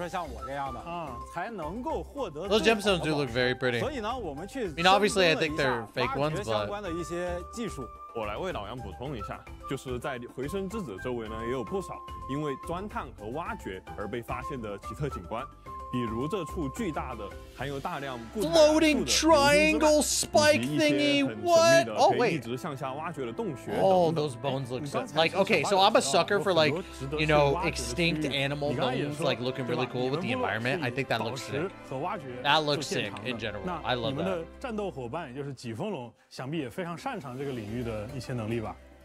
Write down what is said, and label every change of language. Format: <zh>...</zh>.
<en>Those gemstones do look very pretty. I mean, obviously, I think they're fake ones, but...</en> <zh>我来为老杨补充一下，就是在回声之子周围呢，也有不少因为钻探和挖掘而被发现的奇特景观，比如这处巨大的含有大量固态元素的流星之脉，以及一些很神秘的可以一直向下挖掘的洞穴。</zh> <en>Oh, those bones look so, like, okay, so I'm a sucker for like, you know, extinct animal bones, like looking really cool with the environment. I think that looks sick. That looks sick in general. I love that.</en> <zh>你们的战斗伙伴也就是疾风龙，想必也非常擅长这个领域的一些能力吧。</zh>